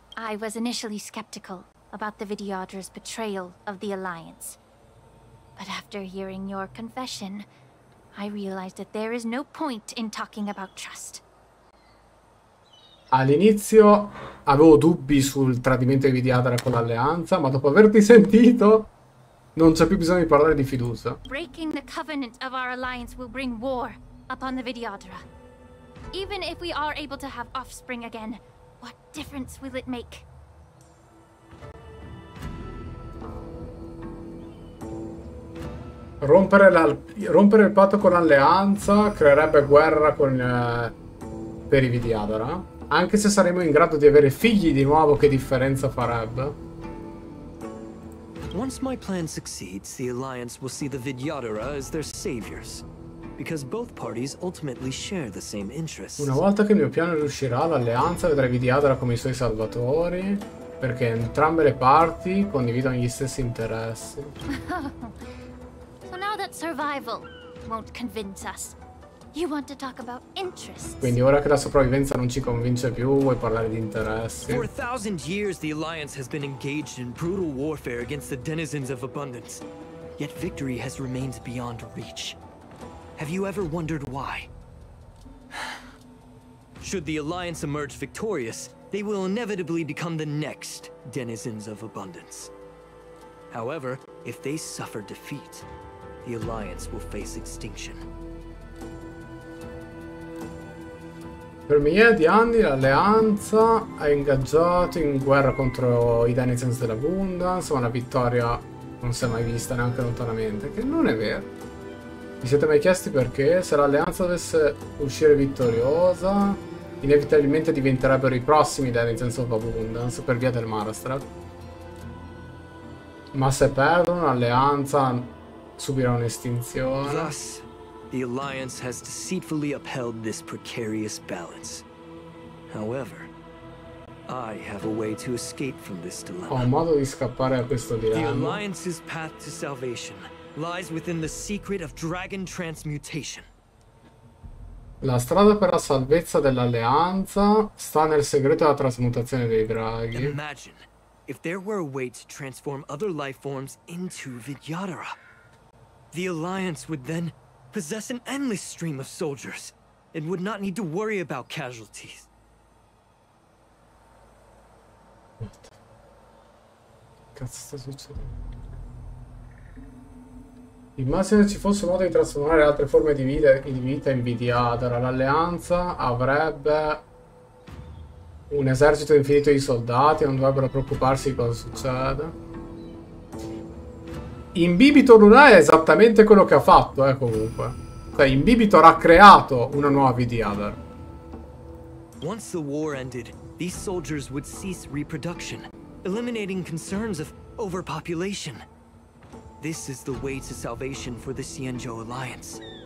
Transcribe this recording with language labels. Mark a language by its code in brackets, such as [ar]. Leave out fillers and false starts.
[en] I was initially skeptical about the Vidyadara's betrayal of the Alliance, but after hearing your confession, I realized that there is no point in talking about trust. [it] All'inizio avevo dubbi sul tradimento di Vidyadara con l'alleanza, ma dopo averti sentito, non c'è più bisogno di parlare di fiducia. [en] Breaking the covenant of our alliance will bring war upon the Vidyadara. Even if we are able to have offspring again, what difference will it make? [it] Rompere il patto con l'alleanza creerebbe guerra con per i Vidyadara. Anche se saremo in grado di avere figli di nuovo, che differenza farebbe? [en] Once my plan succeeds, the Alliance will see the Vidyadara as their saviors, because both parties ultimately share the same interests. [it] Una volta che il mio piano riuscirà, l'Alleanza vedrà Vidyadara come i suoi salvatori, perché entrambe le parti condividono gli stessi interessi. [en] So now that survival won't convince us. You want to talk about interests. [it] Quindi ora che la sopravvivenza non ci convince più, vuoi parlare di interessi? [en] For a thousand years, the Alliance has been engaged in brutal warfare against the denizens of Abundance. yet victory has remained beyond reach. Have you ever wondered why? Should the Alliance emerge victorious, they will inevitably become the next denizens of abundance. However, if they suffer defeat, the Alliance will face extinction. [it] Per migliaia di anni l'Alleanza ha ingaggiato in guerra contro i denizens dell'abundance, ma una vittoria non si è mai vista neanche lontanamente, che non è vero. Vi siete mai chiesti perché? Se l'Alleanza dovesse uscire vittoriosa, inevitabilmente diventerebbero i prossimi denizens of abundance per via del Marastrad. Ma se perdono, l'Alleanza subirà un'estinzione. [en] Thus, the Alliance has deceitfully upheld this precarious balance. However, I have a way to escape from this dilemma. [it] Ho un modo di scappare da questo dilemma. [en] The Alliance's path to salvation lies within the secret of dragon transmutation. [it] La strada per la salvezza dell'Alleanza sta nel segreto della trasmutazione dei draghi. [en] Imagine if there were a way to transform other life forms into Vidyadara. The Alliance would then possess an endless stream of soldiers and would not need to worry about casualties. [it] What? Cazzo sta succedendo? Immagino ci fosse modo di trasformare altre forme di vita in Vidyadara. L'Alleanza avrebbe un esercito infinito di soldati e non dovrebbero preoccuparsi di cosa succede. Imbibitor lunare è esattamente quello che ha fatto, comunque. Cioè, Imbibitor ha creato una nuova Vidyadara. [en] Once the war ended, these soldiers would cease reproduction, eliminating concerns of overpopulation. This is the way to salvation for the Xianzhou Alliance.